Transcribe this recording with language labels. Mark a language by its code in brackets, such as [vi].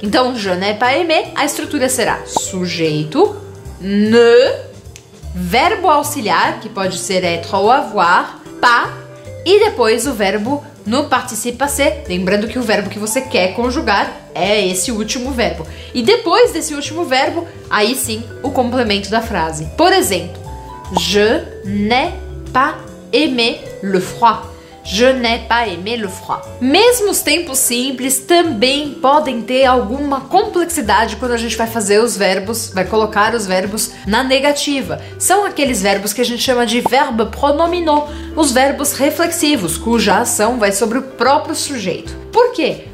[pt] Então, [fr] je n'ai pas aimé, [pt] a estrutura será sujeito, ne, verbo auxiliar, que pode ser être ou avoir, pas, e depois o verbo no participe passé, lembrando que o verbo que você quer conjugar é esse último verbo. E depois desse último verbo, aí sim, o complemento da frase. Por exemplo, [fr] je n'ai pas aimer le froid. Je n'ai pas aimé le froid. [pt] Mesmo os tempos simples também podem ter alguma complexidade quando a gente vai fazer os verbos, vai colocar os verbos na negativa. São aqueles verbos que a gente chama de verbe pronominal, os verbos reflexivos, cuja ação vai sobre o próprio sujeito. Por quê?